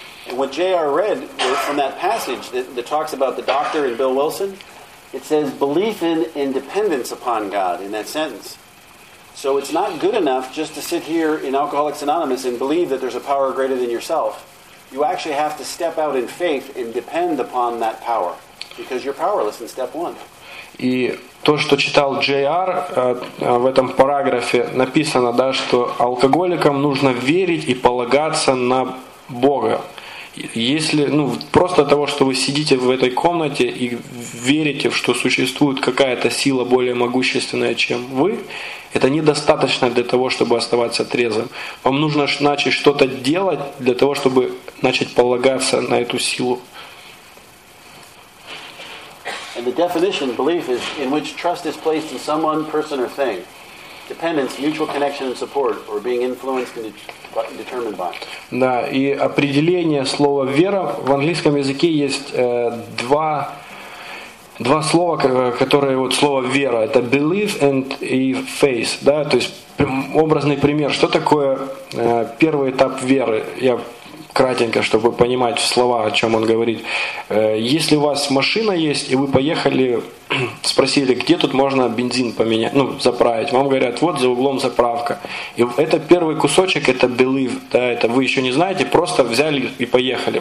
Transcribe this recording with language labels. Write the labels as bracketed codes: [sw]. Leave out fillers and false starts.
[en] And what J.R. read from that passage that talks about the doctor and Bill Wilson, it says belief in and dependence upon God in that sentence. So it's not good enough just to sit here in Alcoholics Anonymous and believe that there's a power greater than yourself. You actually have to step out in faith and depend upon that power, because you're powerless in step one. [ru] И то, что читал J.R. в этом параграфе, написано, да, что алкоголикам нужно верить и полагаться на Бога. Если, ну, просто того, что вы сидите в этой комнате и верите, что существует какая-то сила более могущественная, чем вы, это недостаточно для того, чтобы оставаться трезвым. Вам нужно начать что-то делать для того, чтобы начать полагаться на эту силу. [en] And the definition of belief is in which trust is placed in someone, person or thing. Dependence, mutual connection and support, or being influenced and determined by. [ru] Да, и определение слова вера в английском языке есть два слова, которые вот слово вера. [en] Это belief and faith. [ru] Да, то есть образный пример. Что такое первый этап веры? Я кратенько, чтобы понимать слова, о чем он говорит. Если у вас машина есть, и вы поехали, спросили, где тут можно бензин поменять, ну, заправить. Вам говорят, вот за углом заправка. И это первый кусочек, это belief, да, это вы еще не знаете, просто взяли и поехали.